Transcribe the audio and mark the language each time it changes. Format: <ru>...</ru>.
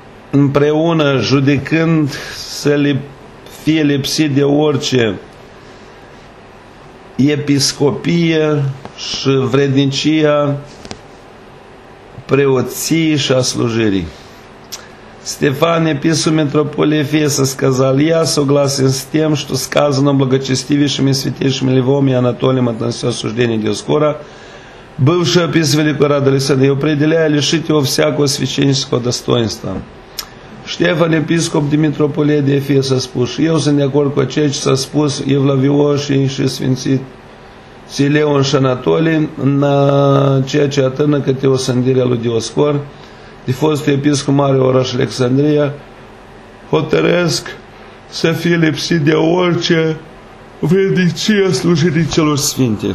<ro>împreună judecând să le fie lipsit de orice episcopie și vrednicia preoției și a slujirii. Stefan, episcop metropolie Efesa,</ro> <ru>сказал, я согласен с тем, что сказано благочестивейшим и святейшим Левом и Анатолием относительно осуждения Диоскора, бывшего епископа Великого города Александрии, определяя лишить его всякого священнического достоинства.</ru> <ro>Ștefan, episcop din Metropolia de Efes, s-a spus, și eu sunt de acord cu ceea ce s-a spus evlavioșii și sfințit Sileon și Anatolii în ceea ce atârnă către osândirea lui Dioscor, de fostul episcop mare oraș Alexandria, hotăresc să fie lipsit de orice vrednicie slujirii celor sfinte.</ro>